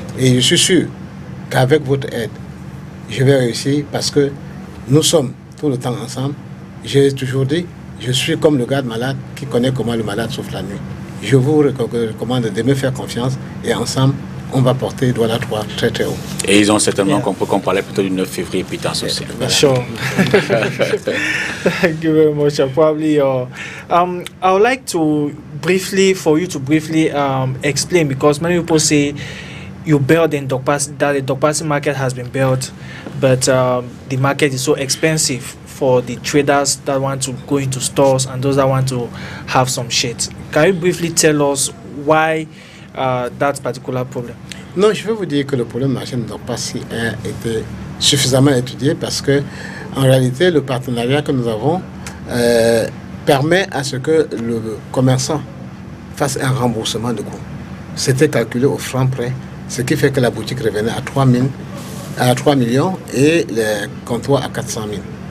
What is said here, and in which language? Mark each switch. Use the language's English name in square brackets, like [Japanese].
[French] Et je suis sûr qu'avec votre aide, je vais réussir, parce que nous sommes tout le temps ensemble. J'ai toujours dit, je suis comme le garde malade qui connaît comment le malade souffre la nuit. Je vous recommande de me faire confiance et ensemble, on va porter Douala 3 très très haut. Et ils ont certainement compris qu'on parlait plutôt du 9 février, puis tant ceci. [English] Sure. Thank you very much. I would like to briefly, for you to briefly explain, because many people say you build in Dokpasi, that the Dokpasi market has been built, but the market is so expensive for the traders that want to go into stores and those that want to have some shit. Can you briefly tell us why that particular problem? [French] Non, je veux vous dire que le problème marché de Dokpasi a été suffisamment étudié, parce que en réalité, le partenariat que nous avons permet à ce que le commerçant fasse un remboursement de coûts. C'était calculé au franc près, ce qui fait que la boutique revenait à 3 millions et les comptoirs à 400 000.